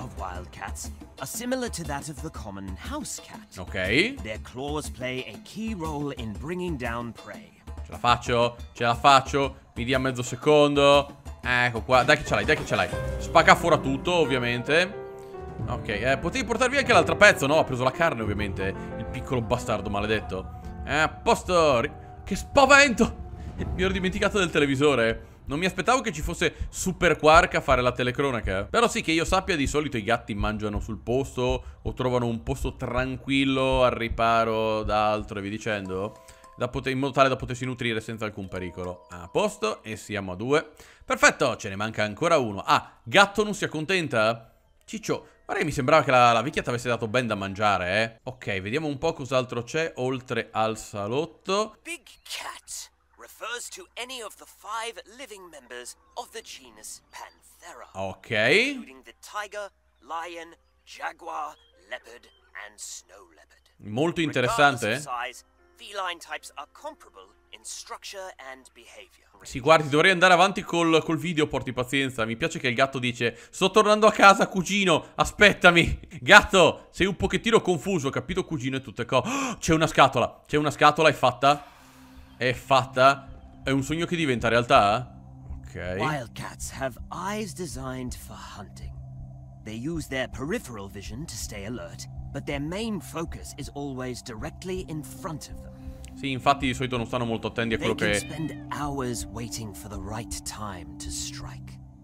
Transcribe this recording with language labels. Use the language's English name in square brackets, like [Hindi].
[English] Are similar to that of the common house cat. Ok. Their claws play a key role in bringing down prey. [Italian] Ce la faccio? Ce la faccio? Mi dia mezzo secondo. Ecco qua. Dai che ce l'hai, dai che ce l'hai. Spacca fuori tutto, ovviamente. Ok, potevi portarvi anche l'altro pezzo, no? Ha preso la carne, ovviamente. Il piccolo bastardo maledetto. A posto. Che spavento! Mi ero dimenticato del televisore. Non mi aspettavo che ci fosse Super Quark a fare la telecronaca. Però sì, che io sappia, di solito i gatti mangiano sul posto o trovano un posto tranquillo al riparo da altro, vi dicendo, in modo tale da potersi nutrire senza alcun pericolo. A posto, e siamo a due. Perfetto, ce ne manca ancora uno. Ah, gatto non si accontenta? Ciccio, guarda che mi sembrava che la vecchia ti avesse dato ben da mangiare, eh. Ok, vediamo un po' cos'altro c'è oltre al salotto. [English] Big cat refers to any of the five living members of the genus Panthera. Ok. Including the tiger, lion, jaguar, leopard and snow leopard. [Italian] Molto interessante. [English] Feline types are comparable in structure and behavior. [Italian] Sì, guardi, dovrei andare avanti col video, porti pazienza. Mi piace che il gatto dice: sto tornando a casa, cugino, aspettami. Gatto, sei un pochettino confuso, capito, cugino, e tutte cose. Oh, c'è una scatola, è fatta. È un sogno che diventa realtà? Ok. [English] Wildcats have eyes designed for hunting. They use their peripheral vision to stay alert. But their main focus is always directly in front of them. [Italian] Sì, infatti di solito non stanno molto attenti a quello che... [English] They can spend hours waiting for the right time to strike.